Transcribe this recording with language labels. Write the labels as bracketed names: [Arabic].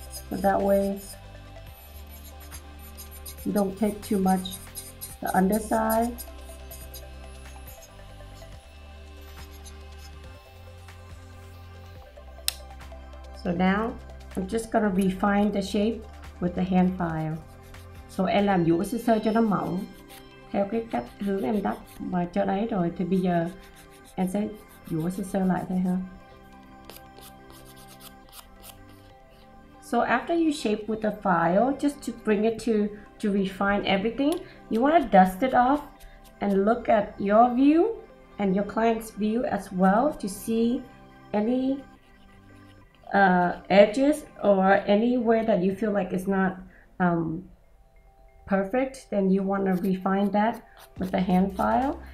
[English] So that way, you don't take too much the underside. So now, I'm just gonna refine the shape with the hand file. [Vietnamese] So em làm dũa sơ sơ cho nó mỏng theo cái cách hướng em đắp mà cho đấy rồi, thì bây giờ em sẽ dũa sơ sơ lại thôi ha. [English] So after you shape with the file, just to bring it to refine everything, you want to dust it off and look at your view and your client's view as well to see any edges or anywhere that you feel like it's not perfect, then you want to refine that with the hand file.